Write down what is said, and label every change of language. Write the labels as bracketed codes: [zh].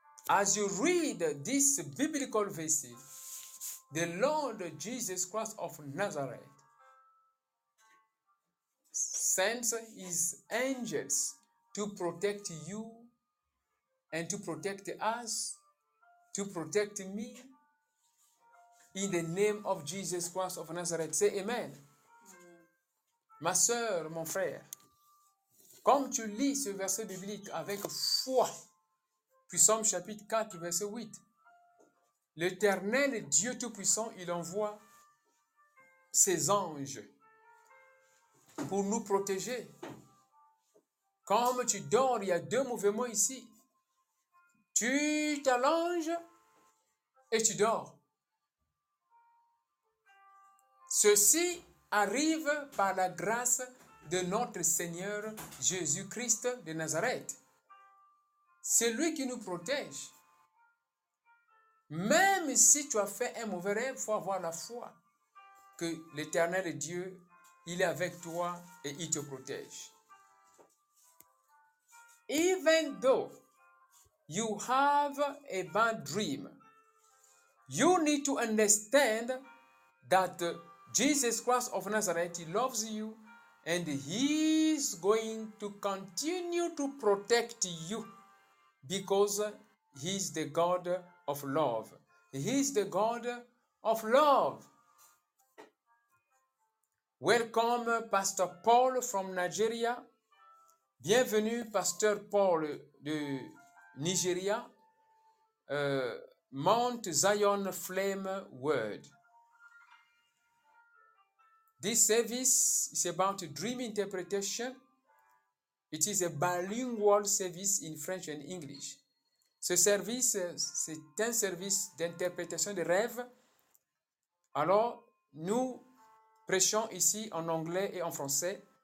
[en] As you read this biblical verse, the Lord Jesus Christ of Nazareth sends his angels to protect you and to protect us, to protect me, in the name of Jesus Christ of Nazareth. Say amen. Amen. [fr] Ma soeur, mon frère, comme tu lis ce verset biblique avec foi, Psaume chapitre 4, verset 8, l'Éternel Dieu Tout-Puissant, il envoie ses anges pour nous protéger. Comme tu dors, il y a deux mouvements ici. Tu t'allonges et tu dors. Ceci arrive par la grâce de notre Seigneur Jésus-Christ de Nazareth. C'est lui qui nous protège. Même si tu as fait un mauvais rêve, il faut avoir la foi que l'Éternel Dieu, il est avec toi et il te protège. [en] Even though you have a bad dream, you need to understand that Jesus Christ of Nazareth, he loves you and he is going to continue to protect you because he is the God of love. He is the God of love. Welcome, Pastor Paul from Nigeria. [fr] Bienvenue, Pasteur Paul de Nigeria, [en] Mount Zion Flame Word. This service is about dream interpretation. It is a bilingual service in French and English. [fr] Ce service, c'est un service d'interprétation de rêves. Alors, nous prêchons ici en anglais et en français.